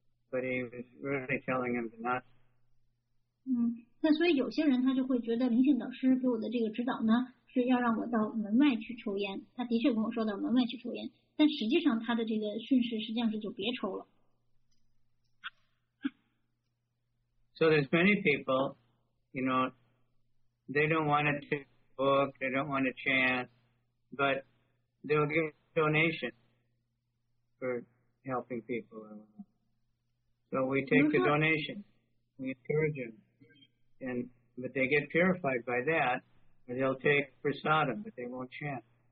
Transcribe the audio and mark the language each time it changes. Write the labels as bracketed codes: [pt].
[en] But he was really telling him to not. [zh] 那所以有些人他就会觉得灵性导师给我的这个指导呢,是要让我到门外去抽烟。他的确跟我说到门外去抽烟,但实际上他的这个训示实际上是就别抽了。So [en] there's many people, you know, they don't want to book, they don't want to chant, but they'll give donation for helping people. So we take the donation, we encourage them, and but they get purified by that, or they'll take prasadam, but they won't chant.